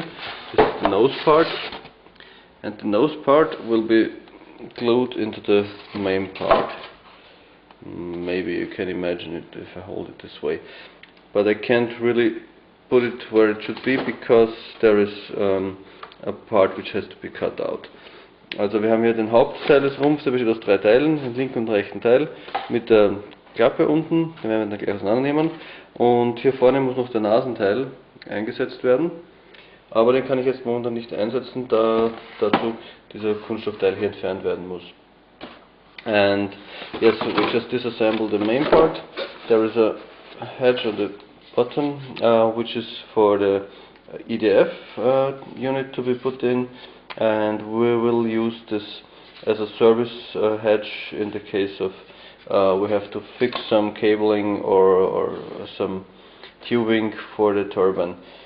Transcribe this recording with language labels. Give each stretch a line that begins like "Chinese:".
English: This is the nose part, and the nose part will be glued into the main part. Maybe you can imagine it if I hold it this way, but I can't really put it where it should be, because there is a part which has to be cut out.
German: Also wir haben hier den Hauptteil des Rumpfs, der besteht aus drei Teilen, den linken und rechten Teil, mit der Klappe unten, den werden wir dann gleich auseinandernehmen. Und hier vorne muss noch der Nasenteil eingesetzt werden, aber den kann ich jetzt momentan nicht einsetzen, da dazu dieser Kunststoffteil hier entfernt werden muss.
English: And yes, so we just disassemble the main part. There is a hatch on the bottom, which is for the EDF unit to be put in. And we will use this as a service hatch in the case of we have to fix some cabling or some tubing for the turbine.